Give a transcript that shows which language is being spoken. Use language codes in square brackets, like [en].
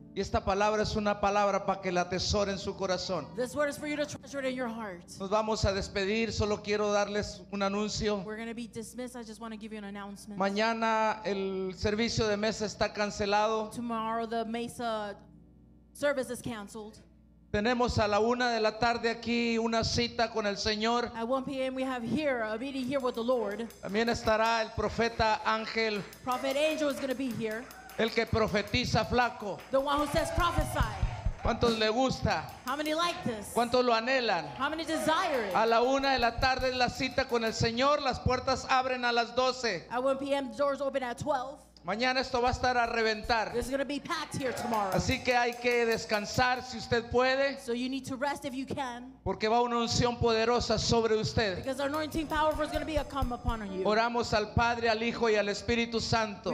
[es] Y esta palabra es una palabra para que la atesore en su corazón. [en] This word is for you to treasure it in your heart. [es] Nos vamos a despedir, solo quiero darles un anuncio. [en] We're going to be dismissed. I just want to give you an announcement. [es] Mañana el servicio de mesa está cancelado. [en] Tomorrow the mesa service is canceled. [es] Tenemos a la una de la tarde aquí una cita con el Señor. [en] At 1 p.m. we have here a meeting here with the Lord. [es] También estará el profeta Ángel. [en] Prophet Angel is going to be here. [es] El que profetiza flaco. [en] The one who says prophesy. [es] ¿Cuántos le gusta? [en] How many like this? [es] ¿Cuántos lo anhelan? [en] How many desire it? [es] A la una de la tarde es la cita con el Señor. Las puertas abren a las 12. [en] At 1 p.m. doors open at 12. [es] Mañana esto va a estar a reventar. [en] This is going to be packed here tomorrow. [es] Así que hay que descansar si usted puede. [en] So you need to rest if you can. [es] Porque va una unción poderosa sobre usted. [en] Because our anointing powerful is going to be a come upon you. [es] Oramos al Padre, al Hijo y al Espíritu Santo.